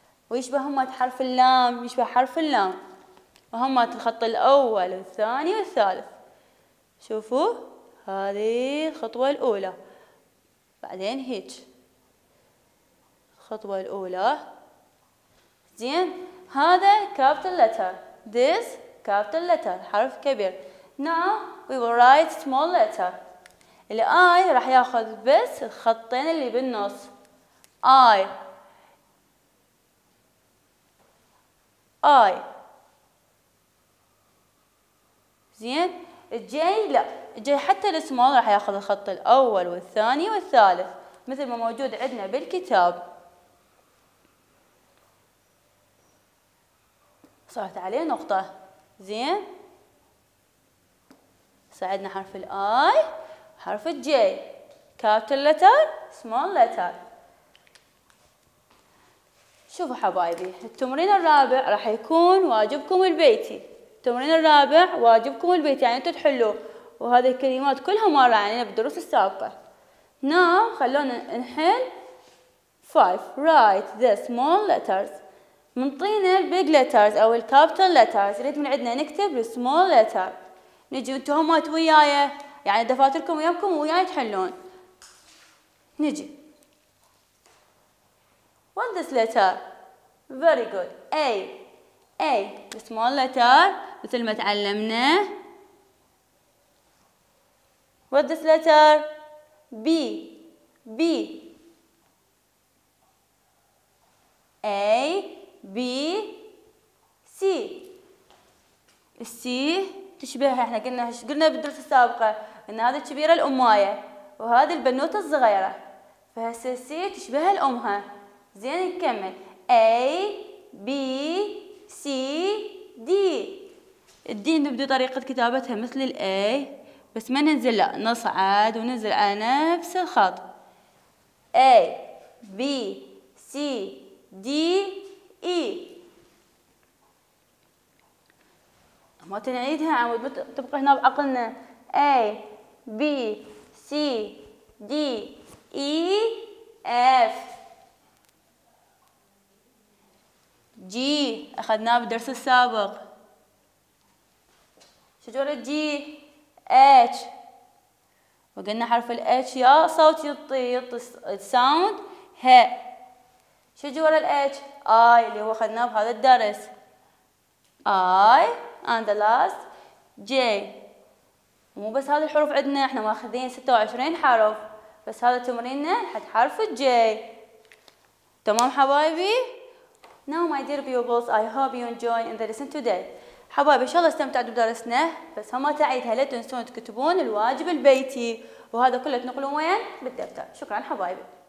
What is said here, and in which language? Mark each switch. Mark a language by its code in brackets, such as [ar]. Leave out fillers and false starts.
[ar] ويشبه هما حرف اللام، يشبه حرف اللام، وهما الخط الاول والثاني والثالث. شوفوا هذه الخطوه الاولى، بعدين هيج الخطوه الاولى. زين، هذا كابيتال لتر. [en] This [ar] كابيتال لتر، حرف كبير. [en] Now we will write small letter. [ar] الآي راح ياخذ بس الخطين اللي بالنص. [en] I. I. [ar] زين؟ الجي لا، الجي حتى السمول راح ياخذ الخط الأول والثاني والثالث، مثل ما موجود عندنا بالكتاب. صارت عليه نقطة. زين؟ ساعدنا حرف الاي، حرف الجي، كابيتال لتر، سمول لتر. شوفوا حبايبي، التمرين الرابع راح يكون واجبكم البيتي. التمرين الرابع واجبكم البيتي، يعني انتوا تحلوا، وهذه الكلمات كلها مرة علينا بالدروس السابقه. [en] Now [ar] خلونا نحل 5. [en] Write the small letters. [ar] منطينا البيج لترز او الكابيتال لترز، يريد من عندنا نكتب السمول لتر. نجي انتو همات وياي، يعني دفاتركم ويامكم وياي تحلون. [en] نجي What this letter? Very good. A. A small letter [ar] مثل ما تعلمنا. [en] What this letter? B. B. A. B. C. [ar] C تشبهها، احنا قلنا ايش قلنا بالدروس السابقه؟ ان هذه الكبيره الامايه وهذه البنوته الصغيره، فهسه سي تشبه الامها. زين نكمل A B C D. الدي نبدا طريقه كتابتها مثل الاي، بس ما ننزل، لا نصعد وننزل على نفس الخط. [en] A B C D E. [ar] ما تنعيدها عمود، تبقى هنا بعقلنا. [en] A B C D E F G [ar] أخذناه بالدرس السابق. شجرة G H، وقلنا حرف ال H يا صوت يطي الساوند ه. شجرة ال H I اللي هو أخذناه بهذا الدرس. [en] I and the last J. [ar] مو بس هذه الحروف عندنا، احنا ماخذين 26 حرف، بس هذا تمريننا حد حرف J. تمام حبايبي؟ [en] Now my dear pupils, I hope you enjoy in the lesson today. [ar] حبايبي ان شاء الله استمتعتوا بدرسنا، بس هما تعيدها لا تنسون تكتبون الواجب البيتي، وهذا كله تنقلون وين؟ بالدفتر. شكرا حبايبي.